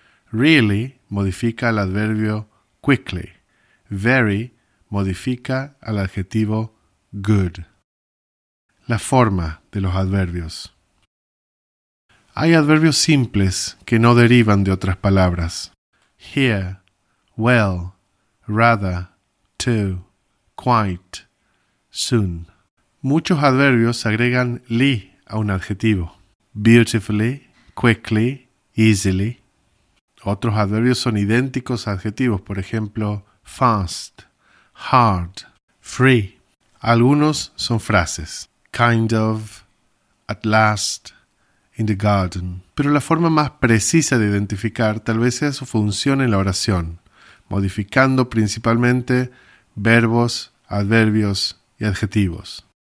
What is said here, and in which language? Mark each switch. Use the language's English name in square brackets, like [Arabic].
[Spanish] Really modifica el adverbio quickly. Very modifica al adjetivo good. La forma de los adverbios. Hay adverbios simples que no derivan de otras palabras. [English] Here, well, rather, to, quite, soon. [Spanish] Muchos adverbios agregan -ly a un adjetivo. [English] Beautifully, quickly, easily. [Spanish] Otros adverbios son idénticos a adjetivos, por ejemplo, [English] fast, hard, free. [Spanish] Algunos son frases. [English] Kind of, at last, in the garden. [Spanish] Pero la forma más precisa de identificar tal vez sea su función en la oración, modificando principalmente verbos, adverbios y adjetivos.